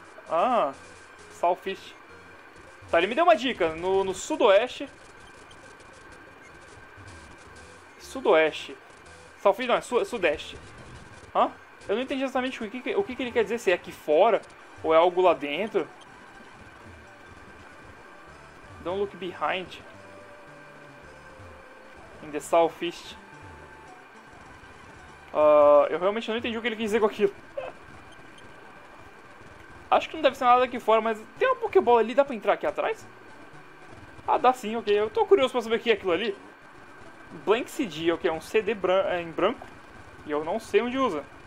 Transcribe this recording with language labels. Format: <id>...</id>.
<pt>Ah, salfice. Tá, ele me deu uma dica. No sudoeste... sudoeste. Salfice não, é sudeste. Hã? Eu não entendi exatamente o que ele quer dizer. Se é aqui fora ou é algo lá dentro.</pt> <en>Don't look behind in the southeast.</en> <pt>Eu realmente não entendi o que ele quis dizer com aquilo. Acho que não deve ser nada aqui fora, mas tem uma pokebola ali, dá pra entrar aqui atrás? Ah, dá sim, ok. Eu tô curioso pra saber o que é aquilo ali. Blank CD, ok, é um CD em branco. E eu não sei onde usa.</pt>